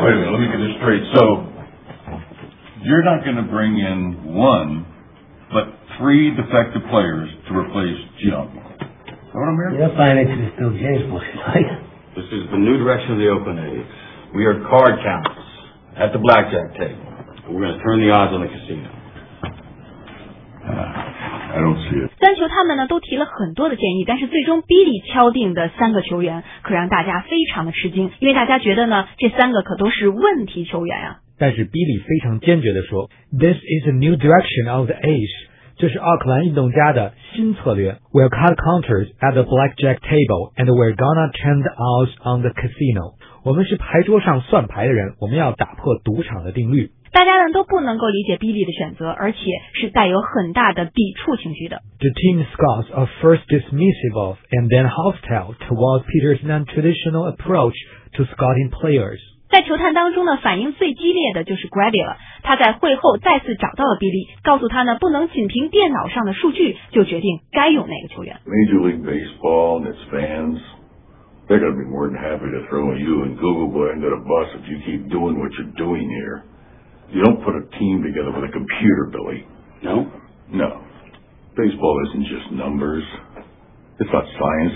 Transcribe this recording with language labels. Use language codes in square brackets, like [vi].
[en] Wait a minute, let me get this straight. So, you're not going to bring in one, but three defective players to replace Jim. You don't find it to be still James Bush, right? This is the new direction of the Oakland A's. We are card counts at the blackjack table. We're going to turn the odds on the casino. I don't see it. [zh] 三球他们呢都提了很多的建议，但是最终 Billy 敲定的三个球员可让大家非常的吃惊，因为大家觉得呢这三个可都是问题球员啊。但是 Billy 非常坚决地说 [en] This is a new direction of the A's. [zh] 这是奥克兰运动家的新策略。 [en] We'll cut counters at the blackjack table and we're gonna turn the odds on the casino. [zh] 我们是牌桌上算牌的人，我们要打破赌场的定律。大家呢都不能够理解 Billy 的选择，而且是带有很大的抵触情绪的。 [en] The team scouts are first dismissive of and then hostile towards Peter's non-traditional approach to scouting players. [zh] 在球探当中呢，反应最激烈的就是 Grady 了。他在会后再次找到了 Billy， 告诉他呢，不能仅凭电脑上的数据就决定该用哪个球员。 [en] Major League Baseball and its fans, they're going to be more than happy to throw you and Google Boy under the bus if you keep doing what you're doing here. You don't put a team together with a computer, Billy. No? No. Baseball isn't just numbers. It's not science.